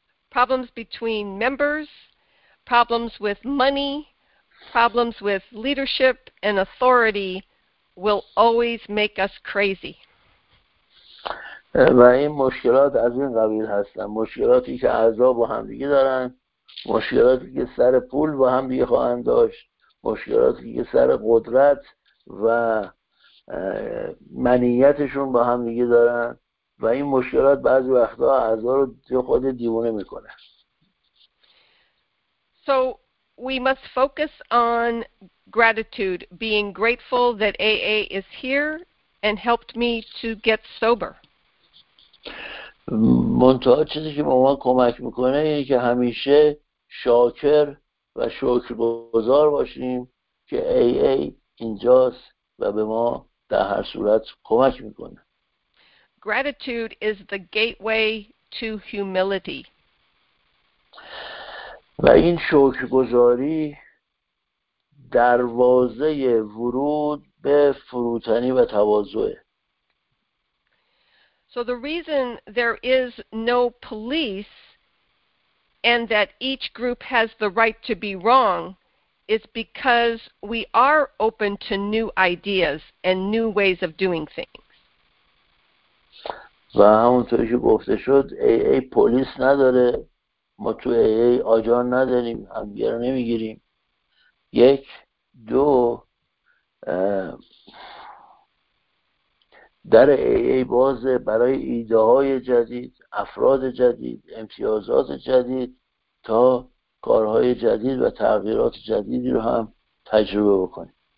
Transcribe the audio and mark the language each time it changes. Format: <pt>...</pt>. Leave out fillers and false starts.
<en>Problems between members, problems with money, problems with leadership and authority will always make us crazy.</en> <fa>و این مشکلات از این قبیل هستن، مشکلاتی که اعضا با هم دیگه دارن، مشکلاتی که سر پول با هم دیگه خواهند داشت، مشکلاتی که سر قدرت و منیتشون با هم دیگه دارن، و این مشکلات بعضی وقتا اعضا رو خود دیوانه میکنه.</fa> <en>So we must focus on gratitude, being grateful that AA is here and helped me to get sober.</en> <fa>منتها چیزی که به ما کمک میکنه اینه که همیشه شاکر و شکرگزار باشیم که AA اینجاست و به ما در هر صورت کمک میکنه.</fa> <en>Gratitude is the gateway to humility.</en> <fa>و این شکرگزاری دروازه ورود به فروتنی و تواضع.</fa> <en>So the reason there is no police and that each group has the right to be wrong is because we are open to new ideas and new ways of doing things.</en> <fa>و همونطوری که گفته شد AA پلیس نداره، ما تو AA آجان نداریم، همگیر نمیگیریم. یک، دو، در AA باز برای ایده های جدید، افراد جدید، امتیازات جدید تا کارهای جدید و تغییرات جدیدی رو هم تجربه بکنیم.</fa>